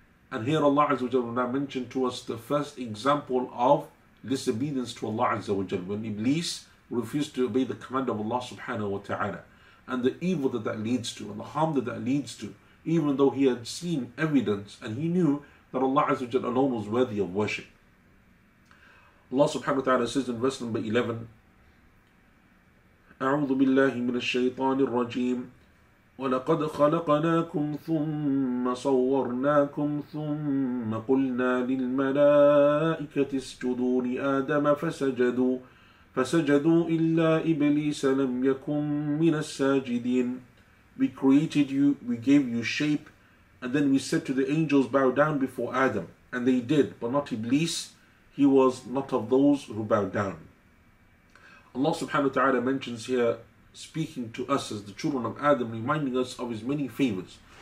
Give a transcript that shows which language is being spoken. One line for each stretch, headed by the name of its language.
English: And here Allah azza wa jalla now mentioned to us the first example of disobedience to Allah azza wa jalla, when Iblis refused to obey the command of Allah subhanahu wa ta'ala, and the evil that that leads to, and the harm that that leads to, even though he had seen evidence, and he knew that Allah Azza wa Jalla alone was worthy of worship. Allah subhanahu wa ta'ala says in verse number 11,
Arabic: أَعُوذُ بِاللَّهِ مِنَ الشَّيْطَانِ الرَّجِيمِ وَلَقَدْ خَلَقْنَاكُمْ ثُمَّ صَوَّرْنَاكُمْ ثُمَّ قُلْنَا لِلْمَلَائِكَةِ اسْجُدُوا لِآدَمَ فَسَجَدُوا إِلَّا إِبْلِيسَ لَمْ يَكُمْ مِنَ السَّاجِدِينَ.
English: We created you, we gave you shape, and then we said to the angels, bow down before Adam. And they did, but not Iblis. He was not of those who bowed down. Allah subhanahu wa ta'ala mentions here, speaking to us as the children of Adam, reminding us of his many favors.